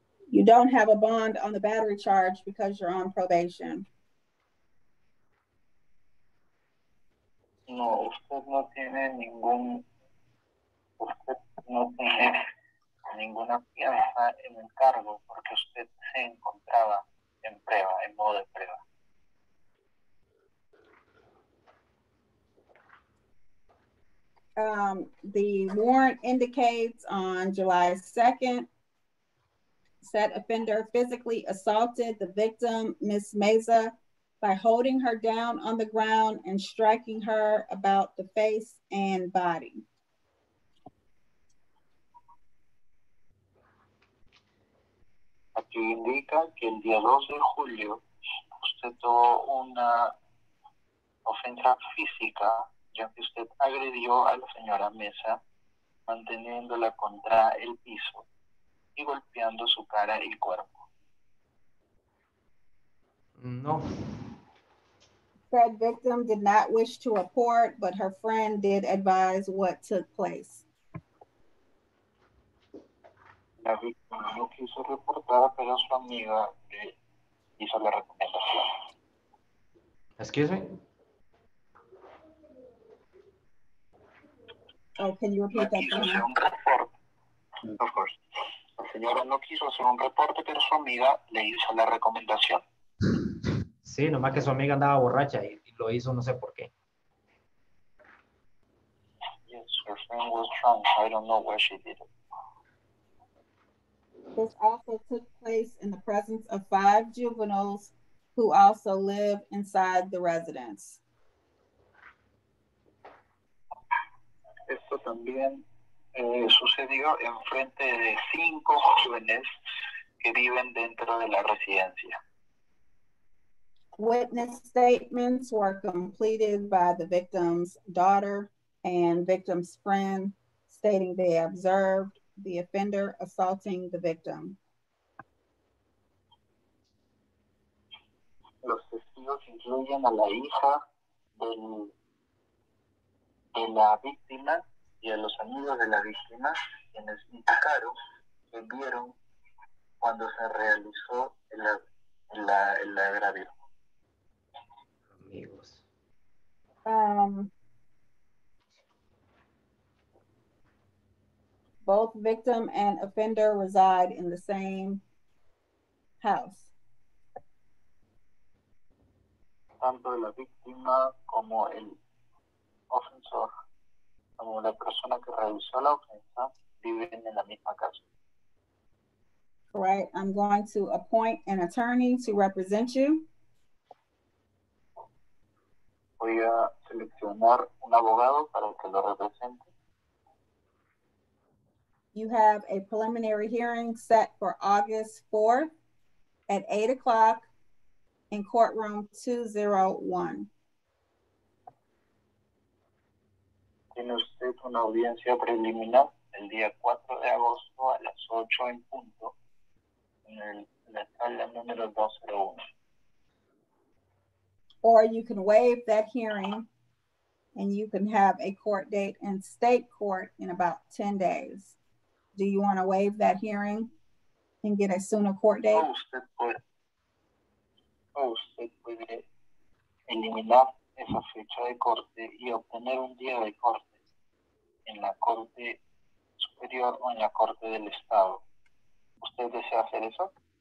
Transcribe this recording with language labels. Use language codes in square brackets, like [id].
[en] You don't have a bond on the battery charge because you're on probation. [es] No, usted no tiene ningún, usted no tiene ninguna fianza en el cargo porque usted se encontraba en prueba, en modo de prueba. [en] The warrant indicates on July 2nd, said offender physically assaulted the victim, Ms. Meza, by holding her down on the ground and striking her about the face and body. [es] Aquí indica que el día 2 de julio usted tuvo una ofensa física, ya que usted agredió a la señora Meza manteniéndola contra el piso y golpeando su cara y cuerpo. No. [en] Said victim did not wish to report, but her friend did advise what took place. [es] La víctima no quiso reportar, pero su amiga le hizo la recomendación. [en] Excuse me? Oh, can you repeat that? [es] No quiso hacer un reporte. [en] Of course. [es] La señora no quiso hacer un reporte, pero su amiga le hizo la recomendación. Sí, nomás que su amiga andaba borracha y lo hizo, no sé por qué. [en] Yes, her friend was drunk. I don't know where she did it. This also took place in the presence of 5 juveniles who also live inside the residence. [es] Esto también sucedió en frente de 5 jóvenes que viven dentro de la residencia. [en] Witness statements were completed by the victim's daughter and victim's friend, stating they observed the offender assaulting the victim. [es] Los testigos incluyen a la hija de la víctima y a los amigos de la víctima, quienes indicaron que vieron cuando se realizó el agravio. [en] Both victim and offender reside in the same house. [es] Tanto la víctima como el ofensor, como la persona que realizó la ofensa, viven en la misma casa. [en] All right, I'm going to appoint an attorney to represent you. [es] Voy a seleccionar un abogado para que lo represente. [en] You have a preliminary hearing set for August 4th at 8 o'clock in courtroom 201. [es] Tiene usted una audiencia preliminar el día 4 de agosto a las 8 en punto en la sala número 201. [en] Or you can waive that hearing and you can have a court date in state court in about 10 days. Do you want to waive that hearing and get a sooner court date? [es] Oh, usted puede eliminar esa fecha de corte y obtener un día de corte en la corte superior o en la corte del estado. ¿Usted desea hacer eso?